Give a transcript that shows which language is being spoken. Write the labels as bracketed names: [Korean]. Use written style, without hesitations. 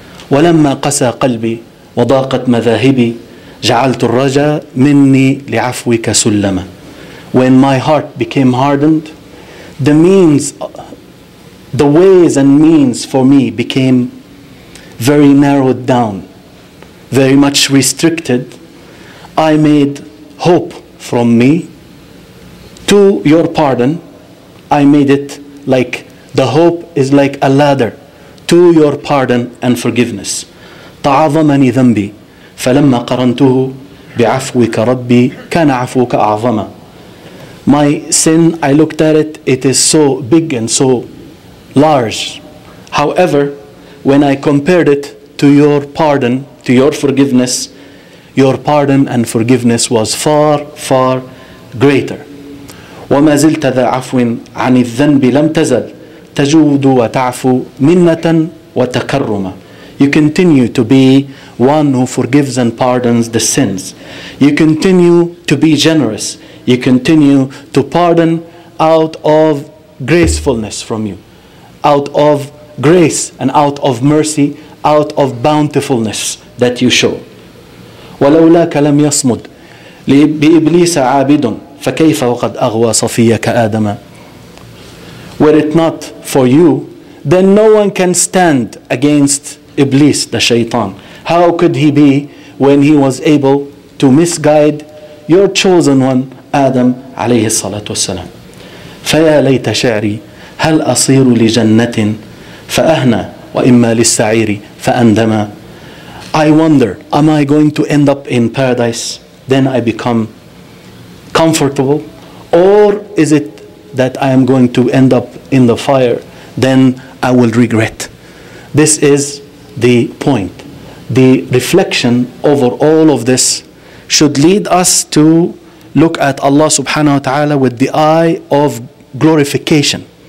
[Arabic] ولما قسى قلبي وضاقت مذاهبي جعلت الرجاء مني لعفوك سلما. [English] When my heart became hardened, the means, the ways and means for me became very narrowed down, very much restricted. I made hope from me to your pardon. I made it like the hope is like a ladder to your pardon and forgiveness. [Arabic] تعظمني ذنبي فلما قرنته بعفوك ربي كان عفوك أعظم. [English] My sin, I looked at it, it is so big and so large. However, when I compared it to your pardon, to your forgiveness, your pardon and forgiveness was far, far greater. [Arabic] وما زلت ذا عفو عن الذنب لم تزل تجود وتعفو منة وتكرما. [English] You continue to be one who forgives and pardons the sins. You continue to be generous. You continue to pardon out of gracefulness from you. out of grace and out of mercy, out of bountifulness that you show. [Arabic] ولولاك لم يصمد بإبليس عابد فكيف وقد أغوى صفيك آدم. [English] Were it not for you, then no one can stand against Iblis, the Shaytan. How could he be when he was able to misguide your chosen one, Adam, [Arabic] عليه الصلاة والسلام. فيا ليت شعري هل أصير لجنة فأهنى وإما للسعير فأندما. [English] I wonder, am I going to end up in paradise? Then I become comfortable. Or is it that I am going to end up in the fire? Then I will regret. This is the point. The reflection over all of this should lead us to look at Allah subhanahu wa ta'ala with the eye of glorification.